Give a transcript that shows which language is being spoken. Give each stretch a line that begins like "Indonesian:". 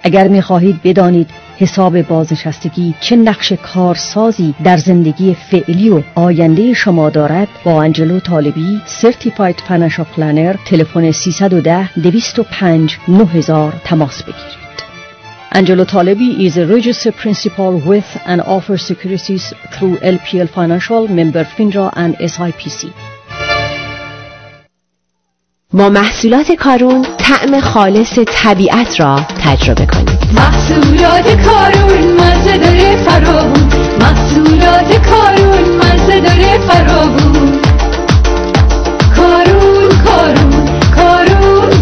Persian: اگر می‌خواهید بدانید حساب بازنشستگی چه نقش کارسازی در زندگی فعلی و آینده شما دارد، با آنجلو طالبی سرتیفاید فینانشال پلنر تلفن 310-205-9000 تماس بگیرید.
English: Angelo Talebi is a registered principal with and offers securities through LPL Financial, member FINRA and SIPC.
Persian: با محصولات کارون طعم خالص طبیعت را تجربه کنید. محصولات کارون مزه داره فراوون. محصولات کارون مزه داره فراوون. کارون کارون